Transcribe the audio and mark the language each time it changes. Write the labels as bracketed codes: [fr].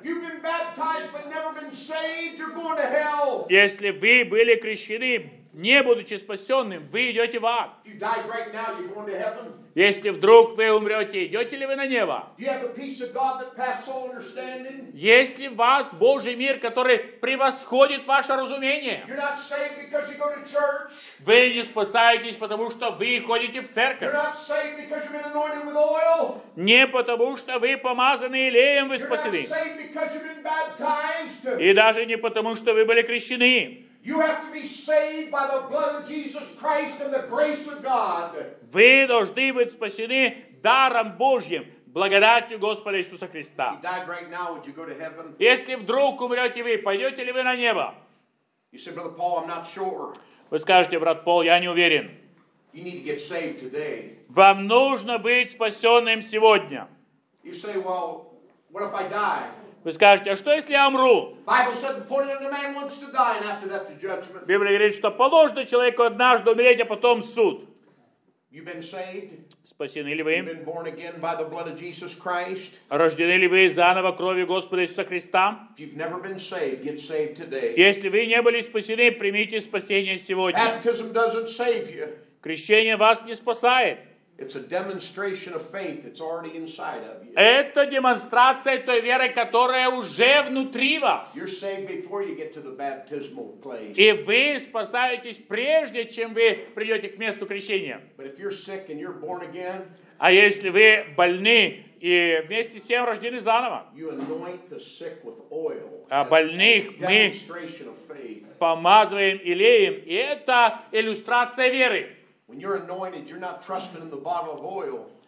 [en] You've been baptized, but never been saved, you're going to hell. [ru] Если вы были крещены, не будучи спасенным, вы идете в ад. [en] If you died right now, you're going to heaven. [ru] Если вдруг вы умрете, идете ли вы на небо? [en] Do you have the peace of God that passes all understanding? [ru] Есть ли в вас Божий мир, который превосходит ваше разумение? [en] You're not saved because you go to church. [ru] Вы не спасаетесь, потому что вы ходите в церковь. [en] You're not saved because you've been anointed with oil. [ru] Не потому что вы помазаны елеем, вы спасены. [en] You're not saved because you've been baptized. [ru] И даже не потому что вы были крещены. [en] You have to be saved by the blood of Jesus Christ and the grace of God. [ru] Вы должны быть спасены даром Божьим, благодатью Господа Иисуса Христа. [en] If you died right now, would you go to heaven? [ru] Если вдруг умрете вы, пойдете ли вы на небо? [en] You say, Brother Paul, I'm not sure. [ru] Вы скажете, брат Пол, я не уверен. [en] You need to get saved today. [ru] Вам нужно быть спасенным сегодня. [en] You say, well, what if I die? [ru] Вы скажете, а что если я умру? Библия говорит, что положено человеку однажды умереть, а потом суд. [en] You've been saved? [ru] Спасены ли вы? [en] You've been born again by the blood of Jesus Christ? [ru] Рождены ли вы заново кровью Господа Иисуса Христа? [en] If you've never been saved, get saved today. [ru] Если вы не были спасены, примите спасение сегодня. [en] Baptism doesn't save you. [ru] Крещение вас не спасает. [en] It's a demonstration of faith that's already inside of you. [ru] Это демонстрация той веры, которая уже внутри вас. [en] You're saved before you get to the baptismal place. [ru] И вы спасаетесь прежде, чем вы придете к месту крещения. [en] But if you're sick and you're born again, [ru] а если вы больны И вместе с тем рождены заново. [en] You anoint the sick with oil. [ru] А больных мы помазываем и леем. И это иллюстрация веры. [en] When you're anointed, you're not trusting in the bottle of oil.